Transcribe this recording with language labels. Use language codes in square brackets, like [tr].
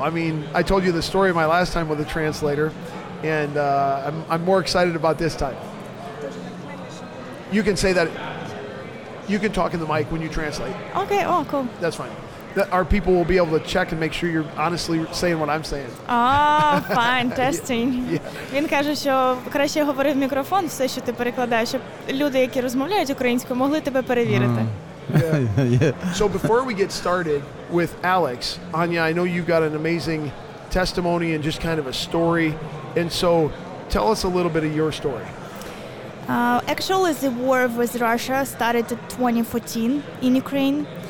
[en] I mean, I told you the story of my last time with a translator, and I'm more excited about this time. You can say that. You can talk in the mic when you translate. Okay, oh, cool. That's fine. Our people will be able to check and make sure you're honestly saying what I'm saying. Oh, fine, testing. [uk] Він каже, що краще говори в мікрофон все, що ти перекладаєш, щоб люди, які розмовляють українською, могли тебе перевірити. [en] So before we get started with Alex, Anya, I know you've got an amazing testimony and just kind of a story. And so tell us a little bit of your story. Actually, the war with Russia started in 2014 in Ukraine.